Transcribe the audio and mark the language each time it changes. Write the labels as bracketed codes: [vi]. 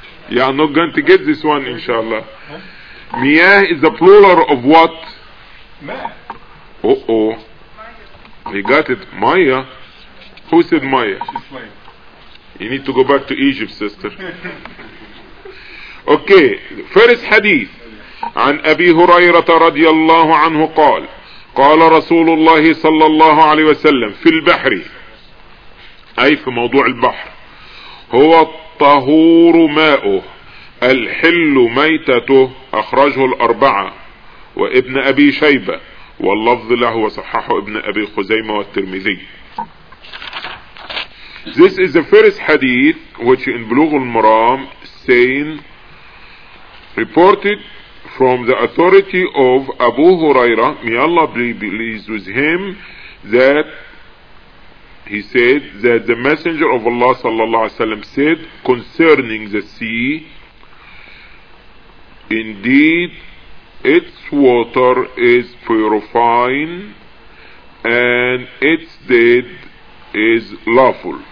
[en] You are not going to get this one, inshallah. Huh? Miyah is the plural of what? Meh. Uh-oh. You got it. Maya? Who said Maya? You need to go back to Egypt, sister. Okay. First hadith. [ar] عن أبي هريرة رضي الله عنه قال قال رسول الله صلى الله عليه وسلم في البحر أي في موضوع البحر هو الطهور ماؤه الحل ميتته أخرجه الأربعة وابن أبي شيبة واللفظ له وصححه ابن أبي خزيمة والترمذي. [en] This is the first hadith which in بلوغ المرام saying reported from the authority of Abu Huraira, may Allah be pleased with him, that he said that the Messenger of Allah sallallahu alaihi wasallam said concerning the sea, indeed its water is purifying and its dead is lawful.